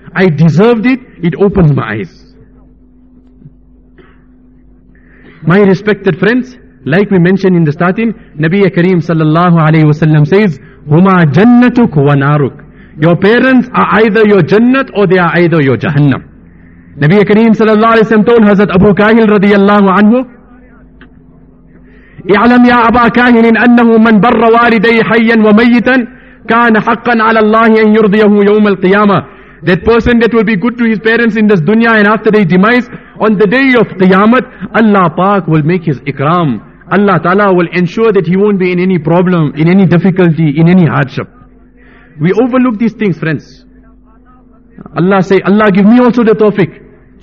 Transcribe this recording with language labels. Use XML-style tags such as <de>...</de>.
<en>I deserved it. It opened my eyes. My respected friends, like we mentioned in the starting, Nabi Kareem sallallahu alayhi wasallam says,</en> <ar>Huma jannatuk wa naruk.</ar> <en>Your parents are either your jannat or they are either your jahannam. Nabi Kareem sallallahu alayhi wasallam told Hazrat Abu Kahil radiyallahu anhu,</en> <ar>اعلم يا أبا كاهن أنه من بر والدي حيا وميتا كان حقا على الله أن يرضيه يوم القيامة.</ar> <en>That person that will be good to his parents in this dunya and after their demise, on the day of Qiyamah, Allah Pak will make his ikram. Allah Ta'ala will ensure that he won't be in any problem, in any difficulty, in any hardship. We overlook these things, friends. Allah say, Allah give me also the tawfiq.</en>